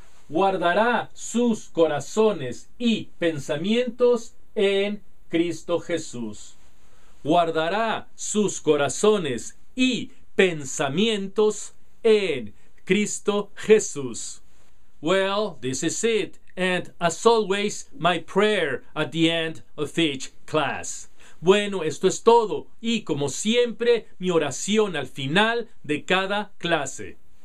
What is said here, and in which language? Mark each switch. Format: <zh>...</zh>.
<es>Guardará sus corazones y pensamientos en Cristo Jesús. Guardará sus corazones y pensamientos en Cristo Jesús.</es> <en>Well, this is it. And as always, my prayer at the end of each class.</en> <es>Bueno, esto es todo. Y como siempre, mi oración al final de cada clase.</es>